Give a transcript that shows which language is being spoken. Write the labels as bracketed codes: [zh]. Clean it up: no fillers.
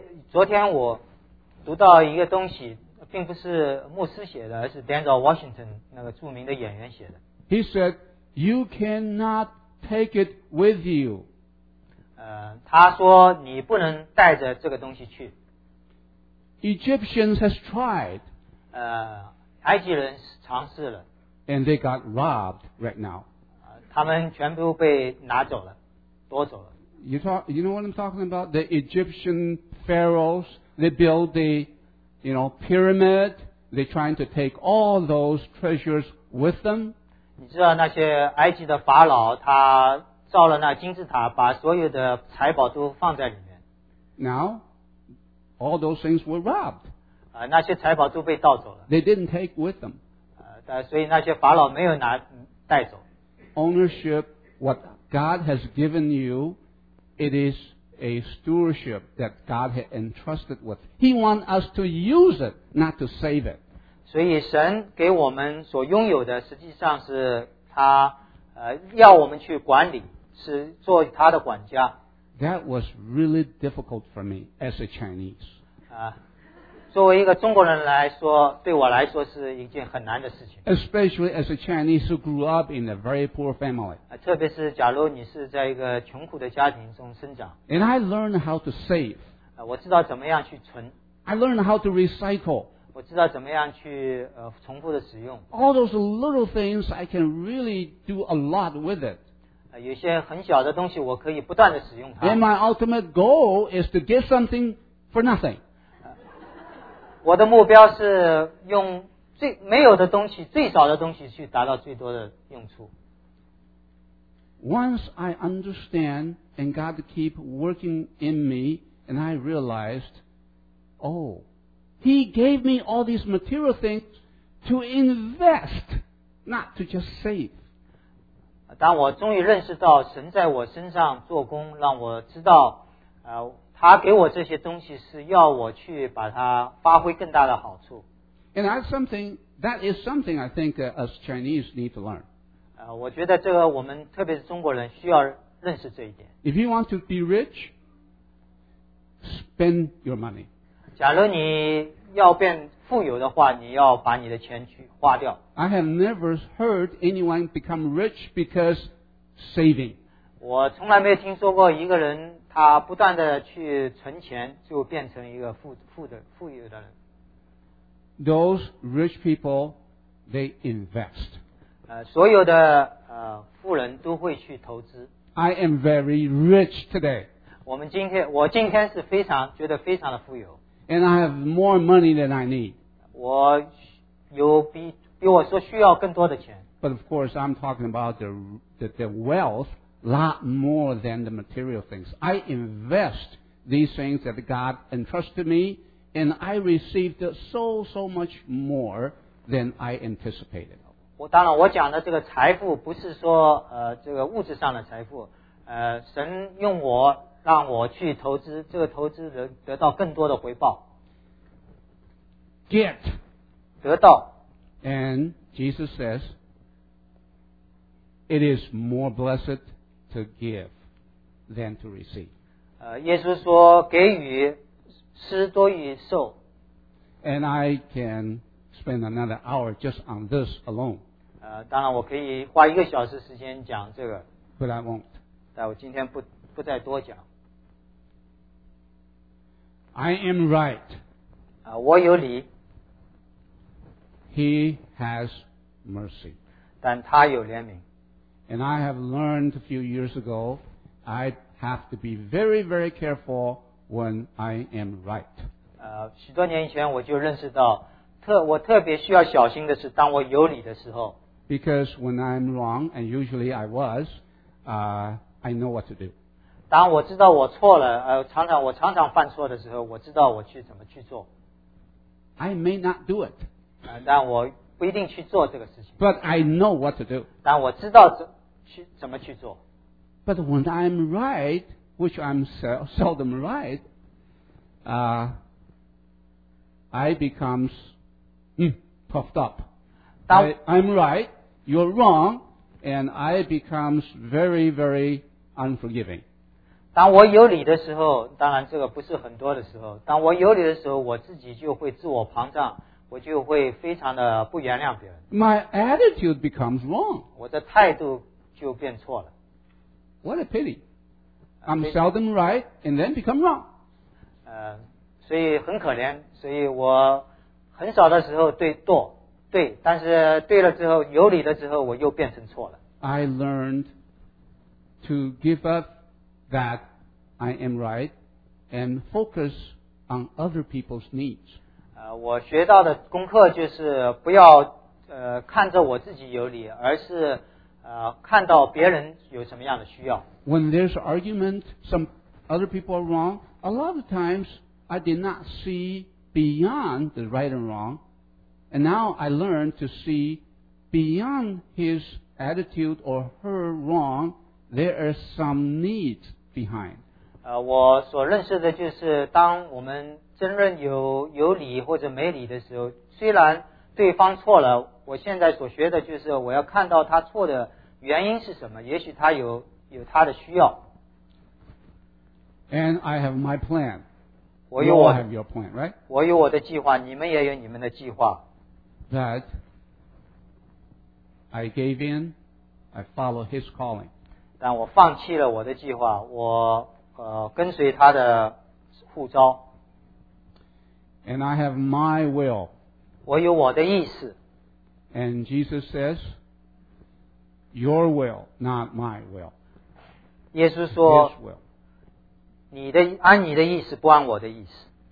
[zh] 昨天我读到一个东西，并不是牧师写的，而是 Denzel Washington 那个著名的演员写的。 [en] He said, "You cannot take it with you." [zh] 他说你不能带着这个东西去。 [en] Egyptians has tried. [zh] 埃及人尝试了。 [en] And they got robbed right now. [zh] 他们全部被拿走了，夺走了。 [en] You know what I'm talking about? The Egyptian pharaohs, they build the, you know, pyramid. They're trying to take all those treasures with them. [zh] 你知道那些埃及的法老，他造了那金字塔，把所有的财宝都放在里面。 [en] Now, all those things were robbed. [zh] 那些财宝都被盗走了。 [en] They didn't take with them. [zh] 所以那些法老没有拿带走。 [en] Ownership, what God has given you,It is a stewardship that God had entrusted with. He wants us to use it, not to save it. [zh] 所以神给我们所拥有的实际上是他要我们去管理，是做他的管家。 [en] That was really difficult for me as a Chinese. [zh] 作为一个中国人来说，对我来说是一件很难的事情。 [en] Especially as a Chinese who grew up in a very poor family. [zh] 特别是假如你是在一个穷苦的家庭中生长。 [en] And I learned how to save. [zh] 我知道怎么样去存。 [en] I learned how to recycle. [zh] 我知道怎么样去重复的使用。 [en] All those little things, I can really do a lot with it. [zh] 有些很小的东西，我可以不断的使用它。 [en] And my ultimate goal is to get something for nothing. [zh] 我的目标是用最没有的东西、最少的东西去达到最多的用处。 [en] Once I understand and God keep working in me, and I realized, oh, He gave me all these material things to invest, not to just save. [zh] 当我终于认识到神在我身上做工，让我知道，他给我这些东西是要我去把它发挥更大的好处。 [en] And that's something, that is something I think us Chinese need to learn. [zh] 我觉得这个我们特别是中国人需要认识这一点。 [en] If you want to be rich, spend your money. [zh] 假如你要变富有的话，你要把你的钱去花掉。 [en] I have never heard anyone become rich because saving. [zh] 我从来没有听说过一个人他不断的去存钱就变成一个 富有的人。 [en] Those rich people, they invest. [zh] 所有的富人都会去投资。 [en] I am very rich today. [zh] 我今天是非常觉得非常的富有。 [en] And I have more money than I need. [zh] 我有比我所需要更多的钱。 [en] But of course, I'm talking about the wealth. Lot more than the material things. I invest these things that God entrusted me, and I received so much more than I anticipated. [zh] 当然我讲的这个财富不是说这个物质上的财富，神用我让我去投资，这个投资得到更多的回报。 [en] Get [zh] 得到。 [en] And Jesus says, it is more blessedto give than to receive. [zh] 耶稣说给予是多于受。 [en] And I can spend another hour just on this alone. [zh] 当然我可以花一个小时时间讲这个。 [en] But I won't. [zh] 但我今天不再多讲。 [en] I am right. [zh] 我有理。 [en] He has mercy. [zh] 但他有怜悯。 [en] And I have learned a few years ago, I have to be very, very careful when I am right. [zh] 许多年以前我就认识到，我特别需要小心的是当我有理的时候。 [en] Because when I'm wrong, and usually I was, I know what to do. [zh] 当我知道我错了，我常常犯错的时候，我知道我怎么去做。 [en] I may not do it. [zh] 但我不一定去做这个事情。 [en] But I know what to do. [zh] 但我知道怎么去做。 [en] But when I'm right, which I'm seldom right, I become puffed up. I'm right, you're wrong, and I become very, very unforgiving. [zh] 当我有理的时候，当然这个不是很多的时候，当我有理的时候，我自己就会自我膨胀。我就会非常的不原谅别人。 [en] My attitude becomes wrong. [zh] 我的态度就变错了。 [en] What a pity. I'm seldom right and then become wrong. [zh] 所以很可怜，所以我很少的时候对，但是对了之后，有理了之后，我又变成错了。 [en] I learned to give up that I am right and focus on other people's needs. [zh] 我学到的功课就是不要看着我自己有理，而是看到别人有什么样的需要。 [en] When there's argument, some other people are wrong. A lot of times, I did not see beyond the right and wrong, and now I learn to see beyond his attitude or her wrong. There are some needs behind. [zh] 我所认识的就是当我们。争论有理或者没理的时候，虽然对方错了，我现在所学的就是我要看到他错的原因是什么，也许他有他的需要。 [en] And I have my plan. You all have your plan, right? [zh] 我有我的计划，你们也有你们的计划。 [en] That I gave in, I follow his calling. [zh] 但我放弃了我的计划，我跟随他的呼召。 [en] And I have my will. [zh] 我有我的意思。 [en] And Jesus says, "Your will, not my will." [zh] 耶稣说。 [en] His will. [zh] 你的按你的意思，不按我的意思。